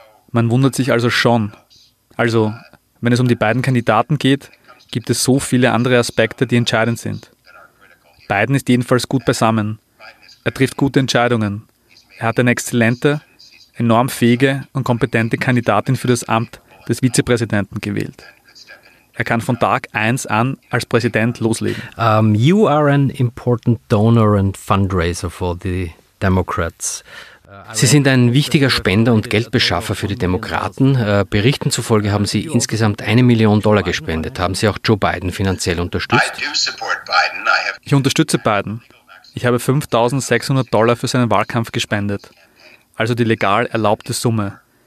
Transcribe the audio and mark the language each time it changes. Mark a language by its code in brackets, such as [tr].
[de] Man wundert sich also schon. Also, wenn es um die beiden Kandidaten geht, gibt es so viele andere Aspekte, die entscheidend sind. Biden ist jedenfalls gut beisammen. Er trifft gute Entscheidungen. Er hat eine exzellente, enorm fähige und kompetente Kandidatin für das Amt des Vizepräsidenten gewählt. Er kann von Tag 1 an als Präsident loslegen. [en] You are an important donor and fundraiser for the Democrats. [de] Sie sind ein wichtiger Spender und Geldbeschaffer für die Demokraten. Berichten zufolge haben Sie insgesamt $1 Million gespendet. Haben Sie auch Joe Biden finanziell unterstützt? Ich unterstütze Biden. Ich habe $5,600 für seinen Wahlkampf gespendet. Also die legal erlaubte Summe.